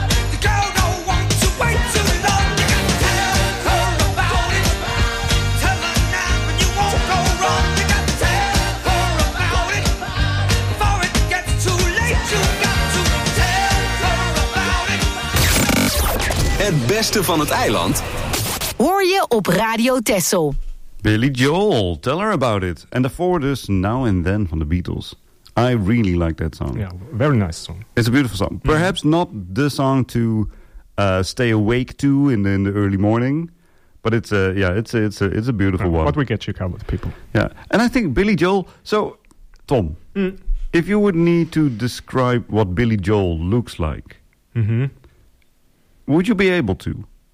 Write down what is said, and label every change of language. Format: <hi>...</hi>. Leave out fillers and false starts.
<en>The girl don't want to wait too long. You gotta tell her about it. Tell her now when you won't go wrong. You gotta tell her about it. Before it gets too late, you got to tell her about it.</en> <nl>Het beste van het eiland. Hoor je op Radio Texel. Billy Joel, Tell Her About It. En daarvoor dus Now and Then van de Beatles.</nl> <en>I really like that song. Yeah, very nice song. It's a beautiful song. Perhaps not the song to stay awake to in the early morning. But it's a beautiful one. But we get you covered, people. Yeah, and I think Billy Joel... So, Tom, if you would need to describe what Billy Joel looks like, would you be able to?</en>